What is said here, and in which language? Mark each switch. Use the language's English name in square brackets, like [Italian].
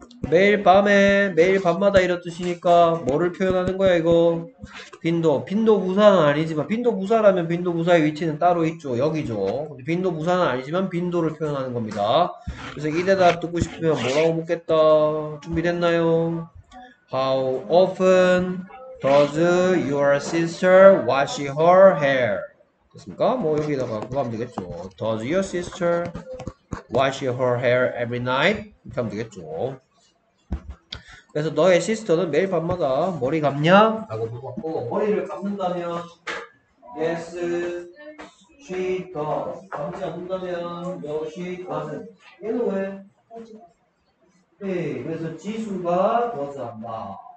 [Korean] 매일 밤에, 매일 밤마다 이런 뜻이니까 뭐를 표현하는 거야 이거? 빈도. 빈도 부사는 아니지만 빈도 부사라면 빈도 부사의 위치는 따로 있죠. 여기죠. 빈도 부사는 아니지만 빈도를 표현하는 겁니다. 그래서 이 대답 듣고 싶으면 뭐라고 묻겠다. 준비됐나요? [English] How often Does your sister wash her hair? [Korean] 됐습니까? 뭐 여기다가 그거 하면 되겠죠. [English] Does your sister wash her hair every night? [Korean] 이렇게 하면 되겠죠. 그래서 너의 시스터는 매일 밤마다 머리 감냐? 라고 물어봤고 머리를 감는다면 [English] Yes, she does. [Korean] 감지 않는다면 [English] No, she doesn't. [Korean] 얘는 왜? 네, 그래서 지수가 does 안 봐.